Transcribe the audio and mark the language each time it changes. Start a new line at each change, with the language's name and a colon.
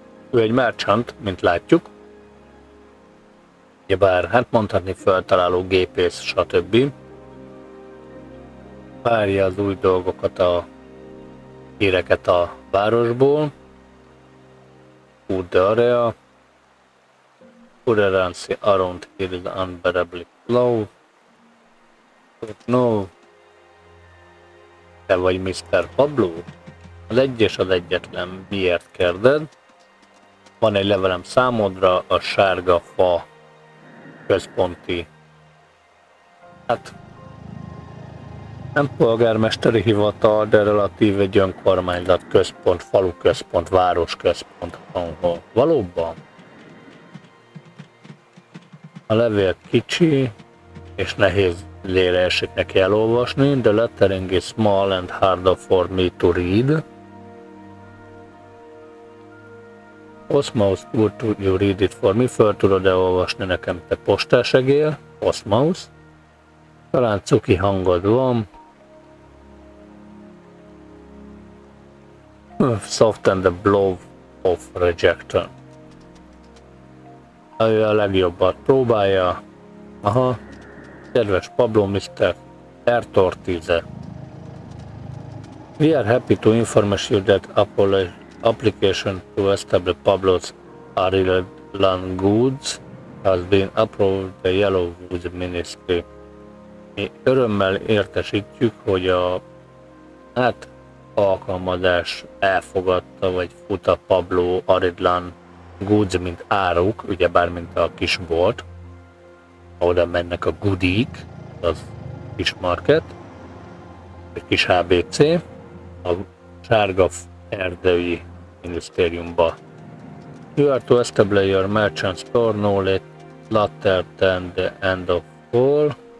Hungarian: Ő egy merchant, mint látjuk. Ugyebár, hát mondhatni feltaláló gépész, stb. Várja az új dolgokat, a híreket a városból.
English: Food area. Currency around here is unbearably low. But no.
Hungarian: Te vagy Mr. Pablo? Az egy és az egyetlen, miért kérded? Van egy levelem számodra, a sárga fa központi. Hát... Nem polgármesteri hivatal, de relatív egy önkormányzat központ, falu központ, város központ, ahol valóban. A levél kicsi, és nehéz lére esik neki elolvasni,
English: the lettering is small and harder for me to read. Osmaus, would you read it for me?
Hungarian: Föl tudod elolvasni nekem, te postásegél, Osmaus. Talán cuki hangod van.
English: Soften the blow of rejection.
Hungarian: Ő a legjobbat próbálja. Aha. Kedves Pablo, Mr. Ertortize.
English: We are happy to inform you that application to establish Pablo's Arid Land Goods has been approved the Yellow Woods Ministry.
Hungarian: Mi örömmel értesítjük, hogy a... Hát... alkalmazás elfogadta, vagy fut a Pablo Aridlan Goods, mint áruk, ugyebár mint a kis bolt, oda mennek a goodiek, az kis market, egy kis HBC, a sárga erdői minisztériumba.
English: You are to establish your merchant store no later than the end of fall.